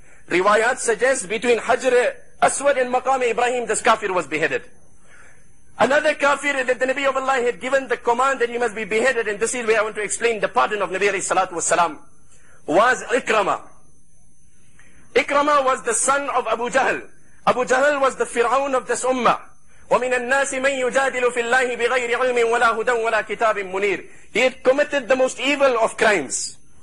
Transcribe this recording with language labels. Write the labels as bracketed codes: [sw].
[en] Riwayat suggests between Hajr Aswad and Maqam Ibrahim, this kafir was beheaded. Another kafir that the Nabi of Allah had given the command that he must be beheaded, and this is where I want to explain the pardon of Nabi alayhi salatu wasalam, was Ikrama. Ikrama was the son of Abu Jahl. Abu Jahl was the Fir'aun of this ummah. [ar] ومن الناس من يجادل في الله بغير علم ولا هدى ولا كتاب منير. [en] He had committed the most evil of crimes.